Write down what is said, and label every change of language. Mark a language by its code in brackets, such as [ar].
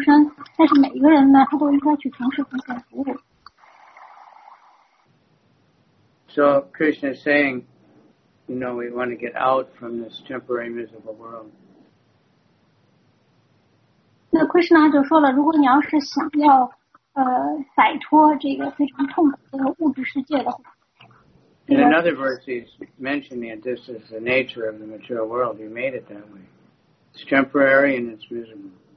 [zh] 对，无论这个人他到底他的出生会是什么样子，无论他是低等的出生还是高等的出生，但是每一个人呢，他都应该去从事奉献服务。 [en] So Krishna is saying, you know, we want to get out from this temporary miserable world. [zh] 那 Krishna 就说了，如果你要是想要摆脱这个非常痛苦的物质世界的话。 [en] In another verse, he's mentioning that this is the nature of the material world. He made it that way. It's temporary and it's miserable.